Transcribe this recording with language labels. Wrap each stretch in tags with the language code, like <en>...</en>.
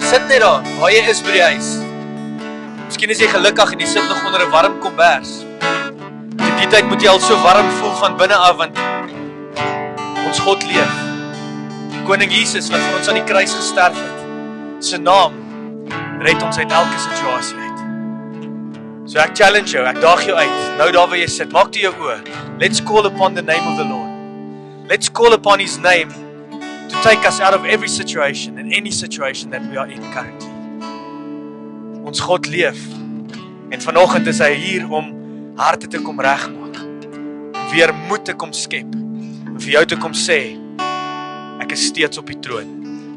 <af>Sit net daar, waar jy is by die huis. Miskien is jy gelukkig en jy sit nog onder 'n warm kombers. In die tyd moet jy al so warm voel van binne af, want ons God leef. Die Koning Jesus wat vir ons aan die kruis gesterf het. Sy naam red ons uit elke situasie. So ek challenge jou, ek daag jou uit, nou daar waar jy sit, maak toe jou oor.</af> <en>Let's call upon the name of the Lord. Let's call upon His name to take us out of every situation and any situation that we are in currently.</en> <af>Ons God leef, en vanochtend is hy hier om harte te kom regmaak, weer moed te kom skep, en vir jou te kom sê, ek is steeds op die troon.</af>